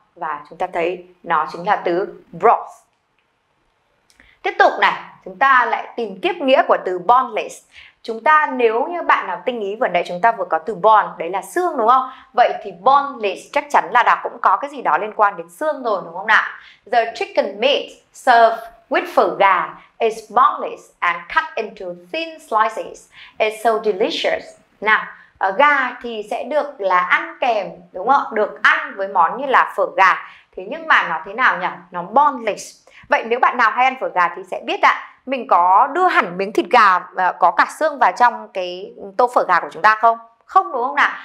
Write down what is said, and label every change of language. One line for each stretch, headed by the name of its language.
Vietnamese: Và chúng ta thấy nó chính là từ broth. Tiếp tục này, chúng ta lại tìm tiếp nghĩa của từ boneless. Chúng ta nếu như bạn nào tinh ý vừa nãy chúng ta vừa có từ bone, đấy là xương đúng không? Vậy thì boneless chắc chắn là đã cũng có cái gì đó liên quan đến xương rồi đúng không nào?
English: The chicken meat served with phở gà is boneless and cut into thin slices. It's so delicious.
Vietnamese: Nào, gà thì sẽ được là ăn kèm đúng không? Được ăn với món như là phở gà. Thế nhưng mà nó thế nào nhỉ? Nó boneless. Vậy nếu bạn nào hay ăn phở gà thì sẽ biết ạ. Mình có đưa hẳn miếng thịt gà có cả xương vào trong cái tô phở gà của chúng ta không? Không đúng không nào?